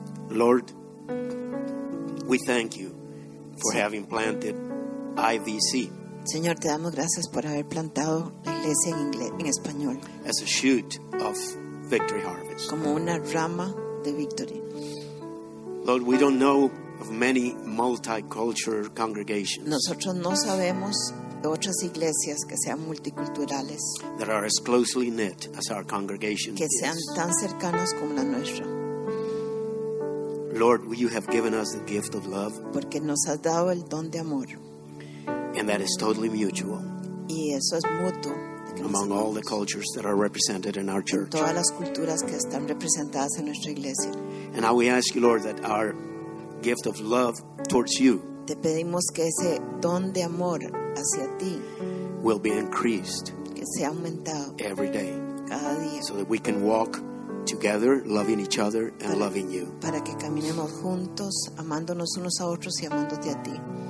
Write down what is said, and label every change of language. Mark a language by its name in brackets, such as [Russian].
[English] Lord, we thank you for having planted IVC. [Spanish] Señor, te damos gracias por haber plantado la iglesia en inglés, en español. [English] As a shoot of Victory Harvest. [Spanish] Como una rama de Victory. [English] Lord, we don't know of many multicultural congregations. [Spanish] Nosotros no sabemos de otras iglesias que sean multiculturales. [English] That are as closely knit as our congregation. [Spanish] Que sean [English] is. [Spanish] Tan cercanos como la nuestra. [English] Lord, you have given us the gift of love. [Spanish] Porque nos has dado el don de amor. [English] And that is totally mutual. [Spanish] Y eso es mutuo. [English] Among all the cultures that are represented in our church. [Spanish] En todas las culturas que están representadas en nuestra iglesia. [English] And now we ask you, Lord, that our gift of love towards you. [Spanish] Te pedimos que ese don de amor hacia ti [English] will be increased. [Spanish] Que sea aumentado. [English] Every day. [Spanish] Cada día. [English] So that we can walk together, loving each other and para, loving you. [Spanish] Para que caminemos juntos, amándonos unos a otros y amándote a ti.